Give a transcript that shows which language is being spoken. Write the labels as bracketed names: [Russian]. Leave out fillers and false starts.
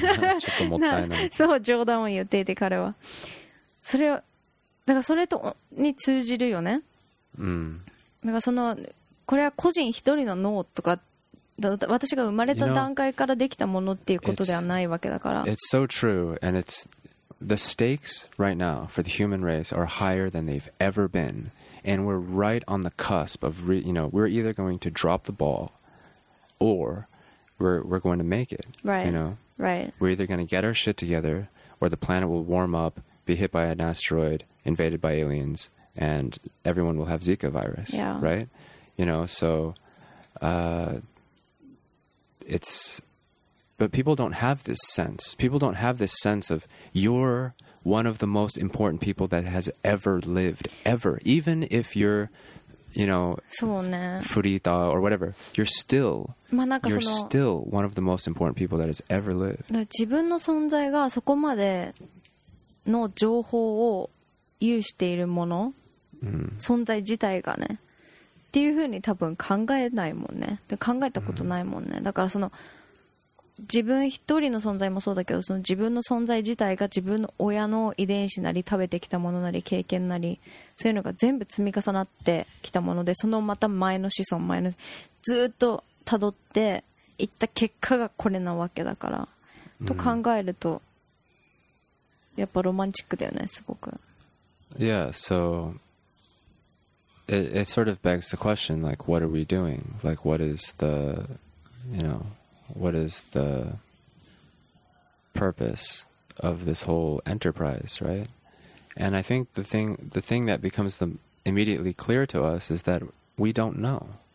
[Japanese] ちょっともったいないそう冗談を言っていて、彼はそれをだからそれとに通じるよね、うん、だからそのこれは個人一人の脳とか、私が生まれた段階からできたものっていうことではないわけだから。 [English] It's so true, and it's the stakes right now for the human race are higher than they've ever been, and we're right on the cusp of you know, we're either going to drop the ball or we're going to make it. Right. You know. Right. We're either going to get our shit together, or the planet will warm up, be hit by an asteroid, invaded by aliens, and everyone will have Zika virus. Yeah. Right. You know, so it's, but people don't have this sense. People don't have this sense of you're one of the most important people that has ever lived, ever. Even if you're, you know, Furita or whatever, you're still, you're still one of the most important people that has ever lived. [Japanese] 自分の存在がそこまでの情報を有しているもの、存在自体がね。っていう風に多分考えないもんね。で考えたことないもんね。だからその自分一人の存在もそうだけど、その自分の存在自体が自分の親の遺伝子なり食べてきたものなり経験なりそういうのが全部積み重なってきたもので、そのまた前の子孫前のずっと辿っていった結果がこれなわけだからと考えると、やっぱロマンチックだよねすごく。 [English] Yeah, soIt sort of begs the question, like, what are we doing? Like, what is the, you know, what is the purpose of this whole enterprise, right? And I think the thing that becomes the immediately clear to us is that we don't know,